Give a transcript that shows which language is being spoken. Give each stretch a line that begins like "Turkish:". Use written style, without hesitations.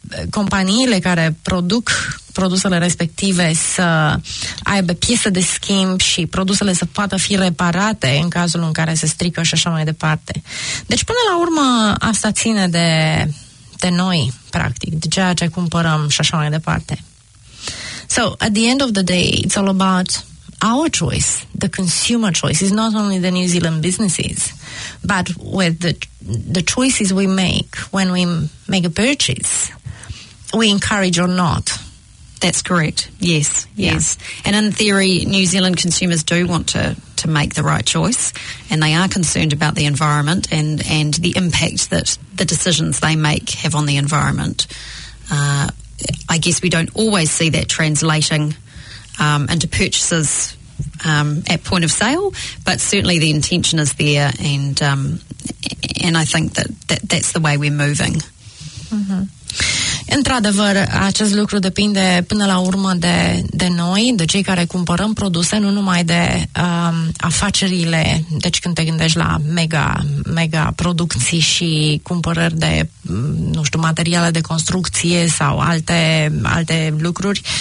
Romanian: Companiile care produc produsele respective să aibă piese de schimb și produsele să poată fi reparate în cazul în care se strică și așa mai departe. Deci, până la urmă, asta ține de noi, practic, de ceea ce cumpărăm și așa mai departe.
English: So, at the end of the day, it's all about our choice, the consumer choice. It's not only the New Zealand businesses, but with the choices we make when we make a purchase, we encourage or not. That's correct. Yes, yes. Yeah. And in theory, New Zealand consumers do want to make the right choice, and they are concerned about the environment and the impact that the decisions they make have on the environment. I guess we don't always see that translating into purchases at point of sale, but certainly the intention is there, and I think that's the way we're moving. Mm-hmm.
Romanian: Într-adevăr, acest lucru depinde până la urmă de noi, de cei care cumpărăm produse, nu numai de afacerile, deci când te gândești la mega producții și cumpărări de, nu știu, materiale de construcție sau alte lucruri.